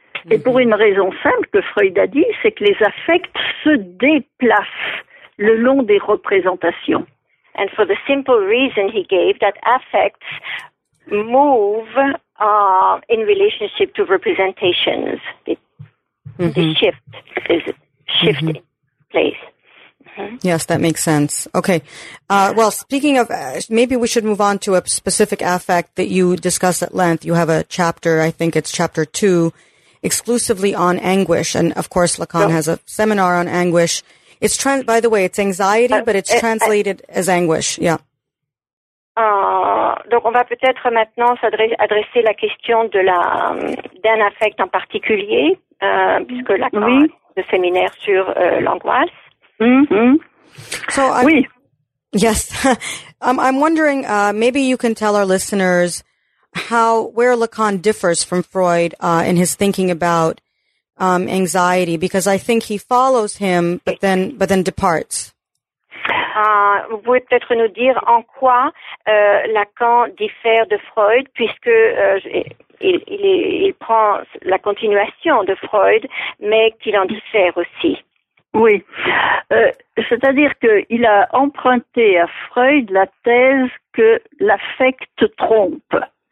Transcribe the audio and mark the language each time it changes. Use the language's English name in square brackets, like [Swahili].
[French] Et pour une raison simple que Freud a dit, c'est que les affects se déplacent le long des représentations. [English] And for the simple reason he gave that affects move in relationship to representations. The shift is shifting place. Mm-hmm. Yes, that makes sense. Okay. Well, speaking of, maybe we should move on to a specific affect that you discussed at length. You have a chapter, I think it's chapter 2, exclusively on anguish. And of course, Lacan has a seminar on anguish. It's by the way, it's anxiety, but it's translated as anguish. Yeah. [French] Donc, on va peut-être maintenant s'adresser la question de la d'un affect en particulier, puisque Lacan a le séminaire sur l'angoisse. Mm-hmm. [English] So, I'm, yes, I'm wondering, maybe you can tell our listeners where Lacan differs from Freud in his thinking about anxiety, because I think he follows him, but then departs. [French] Vous pouvez peut-être nous dire en quoi Lacan diffère de Freud, puisque il prend la continuation de Freud, mais qu'il en diffère aussi. Oui, c'est-à-dire qu'il a emprunté à Freud la thèse que l'affect trompe.